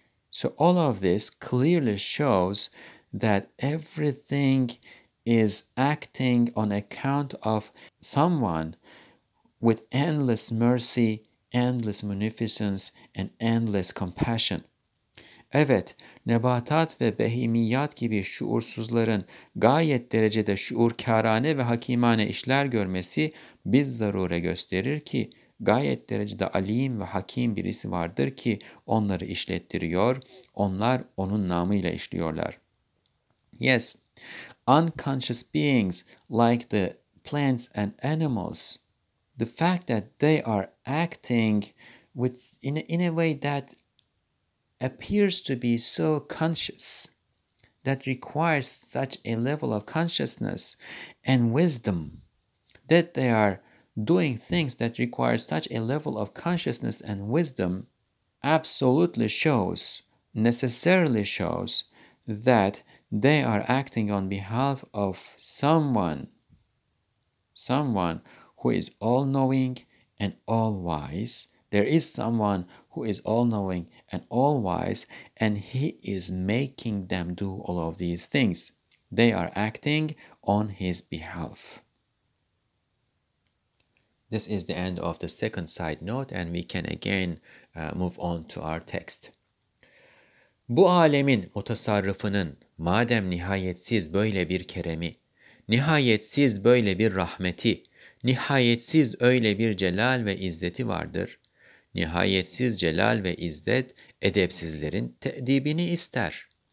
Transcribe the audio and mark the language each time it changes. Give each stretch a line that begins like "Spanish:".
English: So all of this clearly shows that everything is acting on account of someone with endless mercy, endless munificence, and endless compassion.
Turkish: Evet, nebatat ve behimiyat gibi şuursuzların gayet derecede şuurkârâne ve hakimane işler görmesi biz zarure gösterir ki gayet derecede alim ve hakim birisi vardır ki onları işlettiriyor, onlar onun namıyla işliyorlar.
English: Yes, unconscious beings like the plants and animals, the fact that they are acting with in a way that appears to be so conscious, that requires such a level of consciousness and wisdom, that they are doing things that require such a level of consciousness and wisdom, absolutely shows, necessarily shows, that they are acting on behalf of someone someone who is all-knowing and all-wise. There is someone who is all-knowing and all-wise, and he is making them do all of these things. They are acting on his behalf. This is the end of the second side note, and we can again move on to our text.
Turkish: Bu alemin mutasarrıfının madem nihayetsiz böyle bir keremi, nihayetsiz böyle bir rahmeti, nihayetsiz öyle bir celal ve izzeti vardır. Nihayetsiz celal ve izzet edepsizlerin tedibini ister.